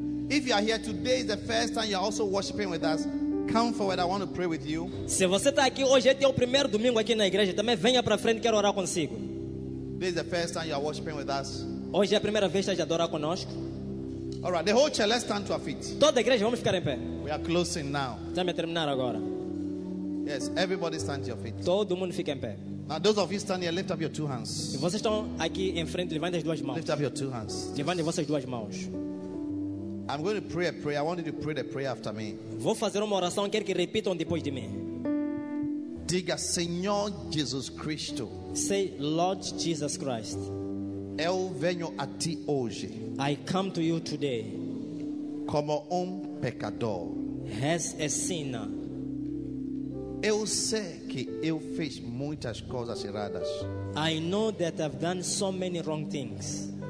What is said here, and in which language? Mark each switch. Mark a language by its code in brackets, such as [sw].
[en] If you are here today is the first time you are also worshiping with us, come forward. I want to pray with you. [pt] Se você está aqui hoje é o primeiro domingo aqui na igreja, também venha para frente, quero orar consigo. [en] This is the first time you are worshiping with us. [pt] Hoje é a primeira vez que estás a adorar conosco. [en] All right, the whole church, let's stand to our feet. [pt] Toda a igreja, vamos ficar em pé. [en] We are closing now. [pt] Estamos a terminar agora. [en] Yes, everybody stand to your feet. [pt] Todo mundo fica em pé. [en] Now, those of you standing here, lift up your two hands. [pt] E vocês estão aqui em frente, levantem as duas mãos. [en] Lift up your two hands. [pt] Levantem vossas duas mãos. [en] I'm going to pray a prayer. I want you to pray the prayer after me. [pt] Vou fazer uma oração, quero que repitam depois de mim. Diga, Senhor Jesus Cristo. [en] Say, Lord Jesus Christ. [pt] Eu venho a ti hoje. [en] I come to you today. [pt] Como pecador. [en] As a sinner. [pt] Eu sei que eu fiz muitas coisas erradas. [en] I know that I've done so many wrong things.